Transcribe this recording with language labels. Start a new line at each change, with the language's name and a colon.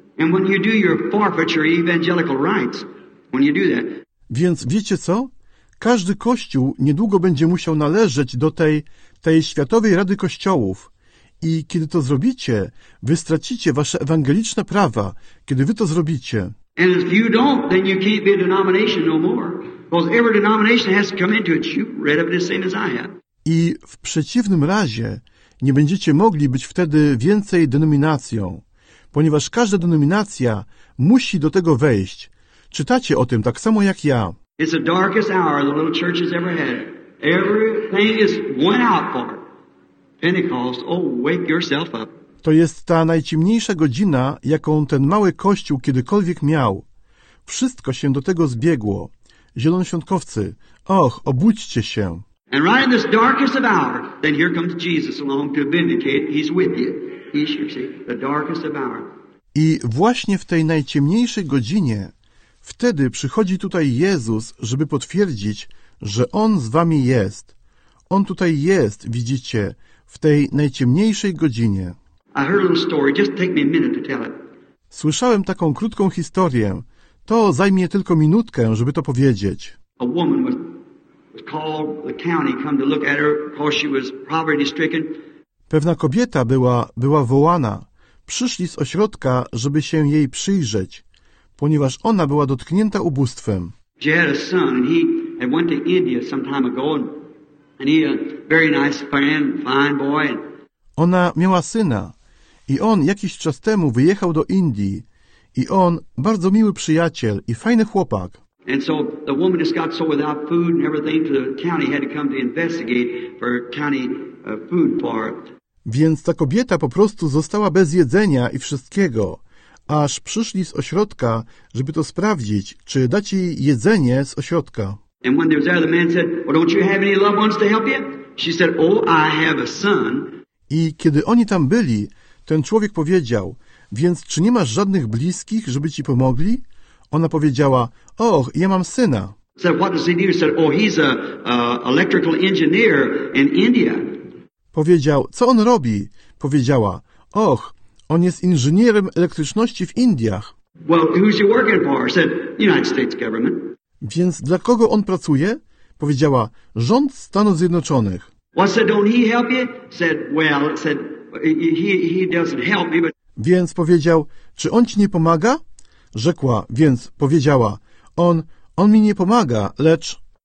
English: And when you do your forfeiture evangelical rites, when you do that.
Polish: Więc wiecie co? Każdy kościół niedługo będzie musiał należeć do tej Światowej Rady Kościołów. I kiedy to zrobicie, wy stracicie wasze ewangeliczne prawa, kiedy wy to zrobicie.
English: And if you don't, then you can't be a denomination no more. Because every denomination has to come into it. You've read of it the same as I have.
Polish: I w przeciwnym razie nie będziecie mogli być wtedy więcej denominacją, ponieważ każda denominacja musi do tego wejść. Czytacie o tym tak samo jak ja.
English: It's the darkest hour the little church has ever had. Everything is went out for Pentecost. Oh, wake yourself up.
Polish: To jest ta najciemniejsza godzina, jaką ten mały kościół kiedykolwiek miał. Wszystko się do tego zbiegło. Zielonoświątkowcy, och, obudźcie się.
English: And right in this darkest of hour, then here comes Jesus along to vindicate. He's with you. He's your savior. The darkest of hour.
Polish: I właśnie w tej najciemniejszej godzinie, wtedy przychodzi tutaj Jezus, żeby potwierdzić, że On z wami jest. On tutaj jest, widzicie, w tej najciemniejszej godzinie.
English: I heard a little story. Just take me a minute to tell it.
Polish: Słyszałem taką krótką historię. To zajmie tylko minutkę, żeby to powiedzieć.
English: A woman was... called the county come to look at her because she was poverty stricken.
Polish: Pewna kobieta była wołana. Przyszli z ośrodka, żeby się jej przyjrzeć, ponieważ ona była dotknięta ubóstwem.
English: She had a son and he had went to India some time ago and he a very nice friend, fine boy.
Polish: Ona miała syna i on jakiś czas temu wyjechał do Indii i on bardzo miły przyjaciel i fajny chłopak.
English: And so the woman just got so without food and everything to the county had to come to investigate for county food for it.
Polish: Więc ta kobieta po prostu została bez jedzenia i wszystkiego, aż przyszli z ośrodka, żeby to sprawdzić, czy dać jej jedzenie z ośrodka.
English: And when they were there, the man said, "Well, don't you have any loved ones to help you?" She said, "Oh, I have a son."
Polish: I kiedy oni tam byli, ten człowiek powiedział, "Więc czy nie masz żadnych bliskich, żeby ci pomogli?" Ona powiedziała, och, ja mam syna.
English: Said, what does he do? He said, oh, he's a electrical engineer in India.
Polish: Powiedział, co on robi? Powiedziała, och, on jest inżynierem elektryczności w Indiach.
English: Well, who's he working for? Said, United States government.
Polish: Więc dla kogo on pracuje? Powiedziała, rząd Stanów Zjednoczonych.
English: Well, said, don't he help you? Said, well, said, he doesn't help me, but...
Polish: Więc powiedział, czy on ci nie pomaga? Rzekła, więc powiedziała, on mi nie pomaga, lecz...